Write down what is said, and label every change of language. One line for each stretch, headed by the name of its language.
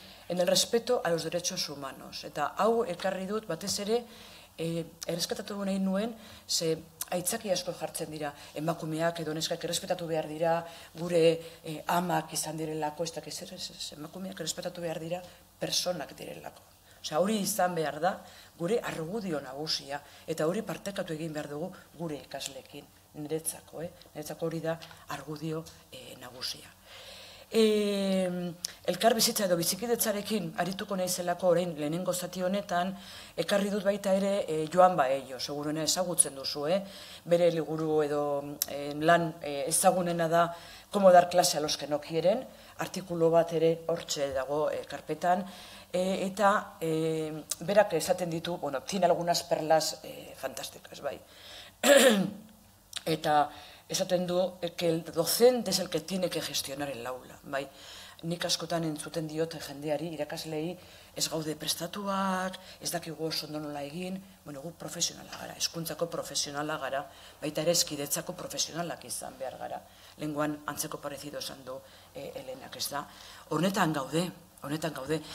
Spanish: En el respeto a los derechos humanos.
Basque: Eta hau ekarri dut, batez ere, erreskatatu nahi nuen, ze aitzaki asko jartzen dira, emakumeak edo neskak errespetatu behar dira, gure amak izan direlako, ez dakiz ere, emakumeak errespetatu behar dira, personak direlako. Osea, hori izan behar da, gure argudio nagusia, eta hori partekatu egin behar dugu gure ikasleekin, niretzako, niretzako hori da argudio nagusia. Elkar bizitza edo bizikidetzarekin arituko naizelako orain lehenengo zati honetan, ekarri dut baita ere Joan Baello, segurena ezagutzen duzu, bere liburu edo lan ezagunena da
Spanish: Cómo dar clase a los que no quieren,
Basque: artikulu bat ere hortxe dago karpetan, eta berak esaten ditu, bueno,
Spanish: tiene algunas perlas fantásticas,
Basque: bai. Eta esaten du,
Spanish: que el docente es el que tiene que gestionar el aula, bai.
Basque: Nik askotan entzuten diot jendeari, irakaslei, ez gaude prestatuak, ez dakigu oso nola egin, bueno, gu profesionala gara, hezkuntzako profesionala gara, baita ere hezkidetzako profesionalak izan behar gara. Lenguan antzeko parezido esan du Elenak, ez da. Honetan gaude, honetan gaude.